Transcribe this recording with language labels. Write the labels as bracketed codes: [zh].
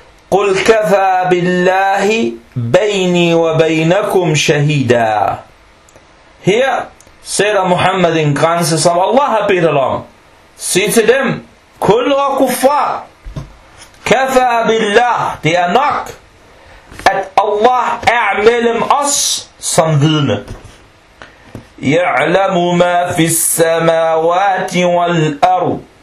[ar] قل كفى بالله بيني وبينكم شهيدا. [da] Her sætter Muhammad en grænse, som Allah har bedt om. Sig til dem, kul og kuffar. [ar] كفى بالله, [da] det er nok, at Allah er mellem os som vidne. [ar] يعلم ما في السماوات والأرض.